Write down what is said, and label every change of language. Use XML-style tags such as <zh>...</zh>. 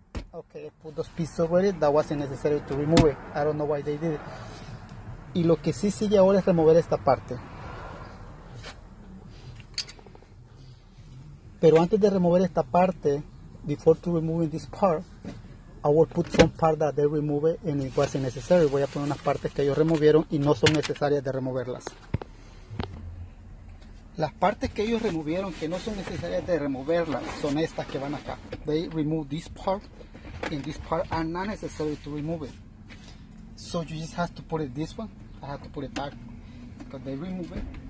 <en>Ok, put those pieces over it. That wasn't necessary to remove it. I don't know why they did it.</en> <es>Y lo que sí sigue ahora es remover esta parte. Pero antes de remover esta parte,</es> <en>before to remove this part, I will put some part that they remove and it wasn't necessary.</en> <es>Voy a poner unas partes que ellos removieron y no son necesarias de removerlas. Las partes que ellos removieron que no son necesarias de removerlas son estas que van acá.</es> <en>They remove this part and this part are not necessary to remove it. So you just have to put it this one. I have to put it back because they remove it.</en>